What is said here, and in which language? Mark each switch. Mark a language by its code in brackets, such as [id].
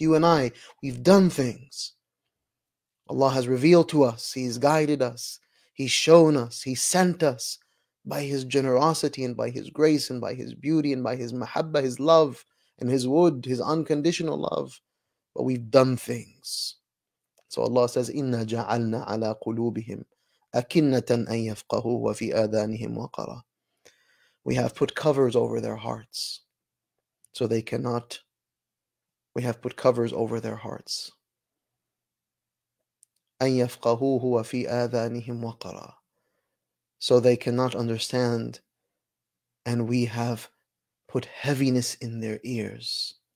[en] You and I, we've done things. Allah has revealed to us, He's guided us, He's shown us, He sent us by His generosity and by His grace and by His beauty and by His mahabbah, His love and His wood, His unconditional love. But we've done things. [ar] So Allah says, إِنَّا جَعَلْنَا عَلَىٰ قُلُوبِهِمْ أَكِنَّةً أَن يَفْقَهُ وَفِي آذَانِهِمْ وَقَرًا. [en] We have put covers over their hearts so they cannot. We have put covers over their hearts. [ar] أَن يَفْقَهُوهُ وَفِي آذَانِهِمْ وَقَرًا. [en] So they cannot understand, and we have put heaviness in their ears.